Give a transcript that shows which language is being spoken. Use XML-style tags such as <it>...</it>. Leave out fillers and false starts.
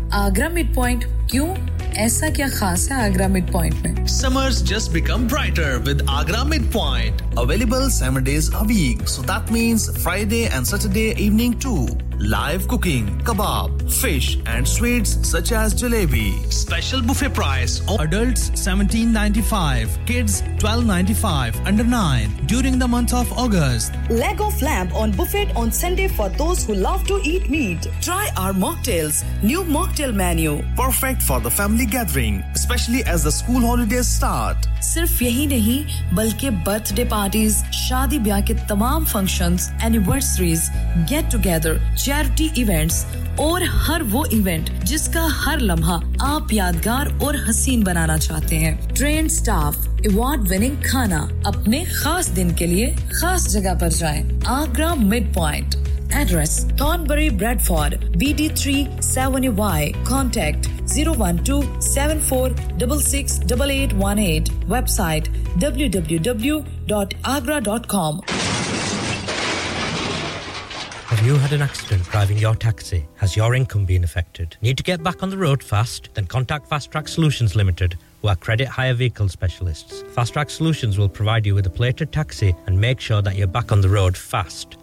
<hi>Agra mid point क्यों ऐसा क्या खास है आगरा मिड पॉइंट में</hi> <en>Summers just become brighter with Agra mid point available 7 days a week so that means Friday and Saturday evening to Live cooking, kebab, fish and sweets such as jalebi. Special buffet price. Adults $17.95, kids $12.95, under 9, during the month of August. Leg of lamb on buffet on Sunday for those who love to eat meat. Try our mocktails, new mocktail menu. Perfect for the family gathering, especially as the school holidays start.</en> <hi>Sirf yahi nahi, balki birthday parties, shadi biyah ke tamam functions, anniversaries, get together. Charity events और हर वो event जिसका हर लम्हा आप यादगार और हसीन बनाना चाहते हैं</hi> <en>train staff award winning</en> <hi>खाना अपने खास दिन के लिए खास जगह पर जाएं Agra mid point address थॉर्नबरी Bradford BD37EY contact 01274668818 website www.agra.com</hi> <en>Have you had an accident driving your taxi? Has your income been affected? Need to get back on the road fast? Then contact Fast Track Solutions Limited, who are credit hire vehicle specialists. Fast Track Solutions will provide you with a plated taxi and make sure that you're back on the road fast.</en>